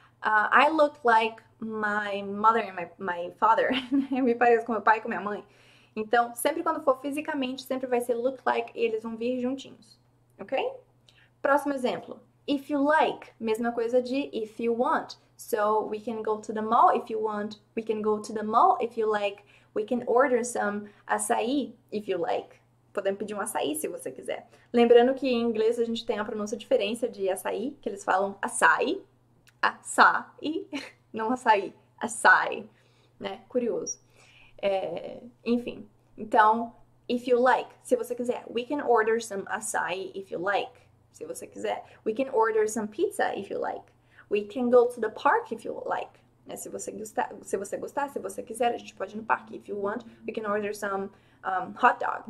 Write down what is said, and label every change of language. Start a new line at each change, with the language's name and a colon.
English: I look like my mother and my father.
Portuguese: Eu me pareço com meu pai e com minha mãe. Então, sempre quando for fisicamente, sempre vai ser look like e eles vão vir juntinhos. Ok? Próximo exemplo.
English: If you like,
Portuguese: mesma coisa de
English: if you want. So we can go to the mall if you want. We can go to the mall if you like. We can order some açaí if you like.
Portuguese: Podemos pedir um açaí se você quiser. Lembrando que em inglês a gente tem a pronúncia diferente de açaí, que eles falam açaí, açaí, não açaí, açaí, né? Curioso. Enfim, então,
English: if you like,
Portuguese: se você quiser.
English: We can order some açaí if you like.
Portuguese: Se você quiser.
English: We can order some pizza if you like. We can go to the park if you like.
Portuguese: Né? Se você quiser, a gente pode ir no parque.
English: If you want, we can order some hot dog.